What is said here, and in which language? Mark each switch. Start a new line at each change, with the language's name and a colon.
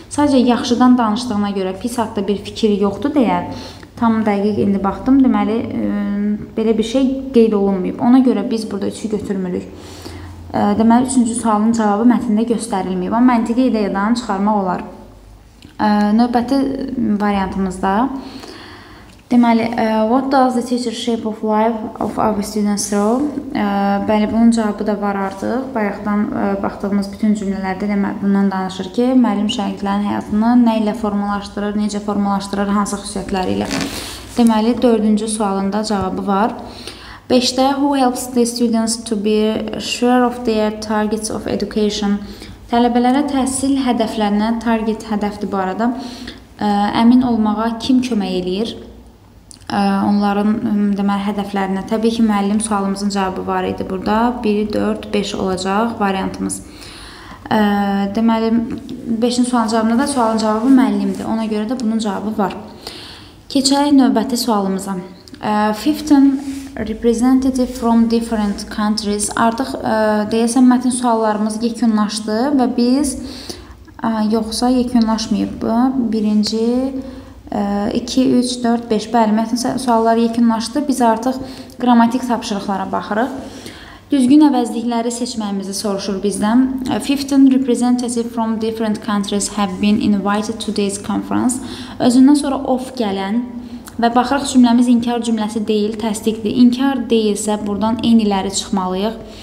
Azerbaijani: Sadəcə yaxşıdan danışdığına görə pis haqqında bir fikir yoxdur deyə tam dəqiq indi baxdım. Deməli, belə bir şey qeyd olunmayıb. Ona görə biz burada üçü götürmürük. Deməli, üçüncü sualın cavabı mətndə göstərilməyib. Amma məntiqi ideyadan çıxarmaq olar. Növbəti variantımızda. Deməli,
English: what does the teacher shape of life of our students throw?
Azerbaijani: Bəli, bunun cavabı da var artıq. Bayaqdan baxdığımız bütün cümlələrdə bundan danışır ki, müəllim şagirdlərin həyatını nə ilə formalaşdırır, necə formalaşdırır, hansı xüsusiyyətləri ilə. Deməli, dördüncü sualında cavabı var. Beşdə,
English: who helps the students to be sure of their targets of education?
Azerbaijani: Tələbələrə təhsil hədəflərinə, target hədəfdir bu arada, əmin olmağa kim kömək eləyir? Onların deməli hədəflərinə. Təbii ki, müəllim sualımızın cavabı var idi burada. 1, 4, 5 olacaq variantımız. Deməli, 5-in sualın cavabında da sualın cavabı müəllimdir. Ona görə də bunun cavabı var. Keçək növbəti sualımıza.
English: 15 representative from different countries.
Azerbaijani: Artıq deyəsən, mətn suallarımız yekunlaşdı və biz yoxsa yekunlaşmayıb. Birinci 2, 3, 4, 5. Bəli, mətn sualları yekunlaşdı. Biz artıq qrammatik tapşırıqlara baxırıq. Düzgün əvəzlikləri seçməyimizi soruşur bizdən.
English: 15 representatives from different countries have been invited to today's conference.
Azerbaijani: Özündən sonra of gələn və baxırıq cümləmiz inkar cümləsi deyil, təsdiqdir. İnkar deyilsə, buradan eyniləri çıxmalıyıq.